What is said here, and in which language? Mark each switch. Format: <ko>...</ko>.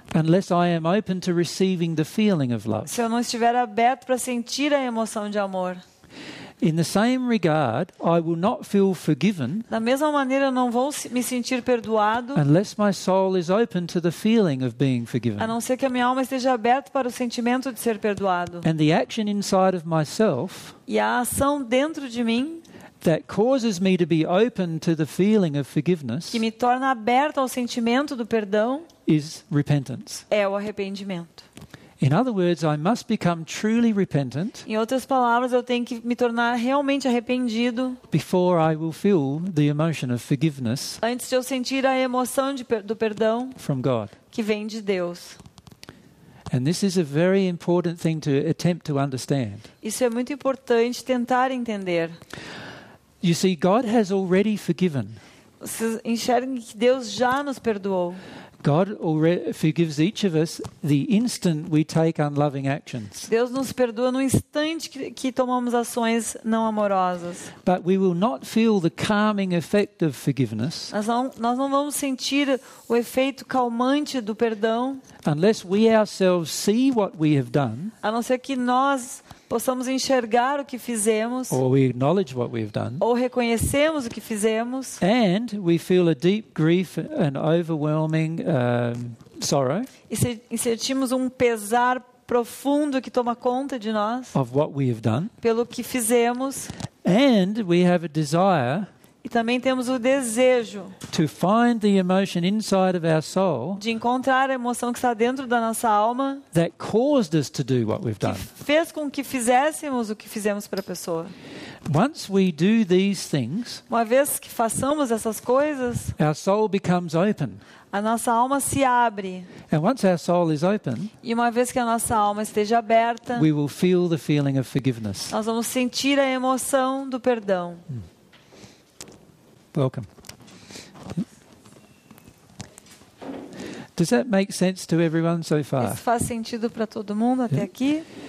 <en>Unless I am open to receiving the feeling of love.</en> <pt>Se eu não estiver aberto para sentir a emoção de amor.</pt> <en>In the same regard, I will not feel forgiven.</en> <pt>Da mesma maneira, eu não vou me sentir perdoado.</pt> <en>Unless my soul is open to the feeling of being forgiven.</en> <pt>A não ser que a minha alma esteja aberta para o sentimento de ser perdoado.</pt> <en>And the action inside of myself.</en> <pt>E a ação dentro de mim.</pt> <en>That causes me to be open to the feeling of forgiveness.</en> <pt>Que me torna aberto ao sentimento do perdão.</pt> <en>Is repentance.</en> <pt>É o arrependimento.</pt> <en>In other words, I must become truly repentant.</en> <pt>Em outras palavras, eu tenho que me tornar realmente arrependido.</pt> <en>Before I will feel the emotion of forgiveness.</en> <pt>Antes de eu sentir a emoção do perdão.</pt> <en>From God.</en> <pt>Que vem de Deus.</pt> <en>And this is a very important thing to attempt to understand.</en> <pt>Isso é muito importante tentar entender.</pt> <en>You see, God has already forgiven.</en> <pt>Vocês enxergam que Deus já nos perdoou.</pt> <en>God already forgives each of us the instant we take unloving actions.</en> <pt>Deus nos perdoa no instante que tomamos ações não amorosas.</pt> <en>But we will not feel the calming effect of forgiveness.</en> <pt>Nós não vamos sentir o efeito calmante do perdão.</pt> <en>Unless we ourselves see what we have done.</en> <pt>A não ser que nós possamos enxergar o que fizemos.</pt> <en>Or we acknowledge what we've done.</en> <pt>Ou reconhecemos o que fizemos.</pt> <en>And we feel a deep grief and overwhelming sorrow.</en> <pt>E sentimos um pesar profundo que toma conta de nós.</pt> <en>Of what we have done.</en> <pt>Pelo que fizemos.</pt> <en>And we have a desire.</en> <pt>E também temos o desejo.</pt> <en>To find the emotion inside of our soul.</en> <pt>De encontrar a emoção que está dentro da nossa alma.</pt> <en>That caused us to do what we've done.</en> <pt>Que fez com que fizéssemos o que fizemos para a pessoa.</pt> <en>Once we do these things,</en> <pt>uma vez que façamos essas coisas,</pt> <en>our soul becomes open.</en> <pt>A nossa alma se abre.</pt> <en>And once our soul is open,</en> <pt>e uma vez que a nossa alma esteja aberta,</pt> <en>we will feel the feeling of forgiveness.</en> <pt>Nós vamos sentir a emoção do perdão.</pt> <en>Welcome. Does that make sense to everyone so far?</en> <pt>Isso faz sentido para todo mundo até aqui?</pt>